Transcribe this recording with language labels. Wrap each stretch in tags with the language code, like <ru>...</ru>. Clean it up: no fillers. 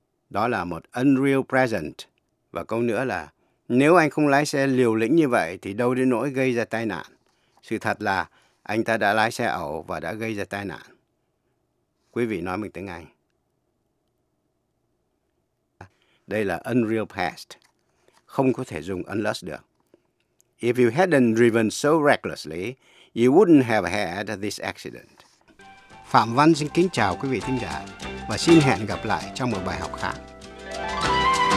<vi>Đó là một unreal present. Và câu nữa là nếu anh không lái xe liều lĩnh như vậy thì đâu đến nỗi gây ra tai nạn. Sự thật là anh ta đã lái xe ẩu và đã gây ra tai nạn. Quý vị nói bằng tiếng Anh. Đây là unreal past. Không có thể dùng unless được.</vi> <en>If you hadn't driven so recklessly, you wouldn't have had this accident.</en> <vi>Phạm Văn xin kính chào quý vị thính giả và xin hẹn gặp lại trong một bài học khác.</vi>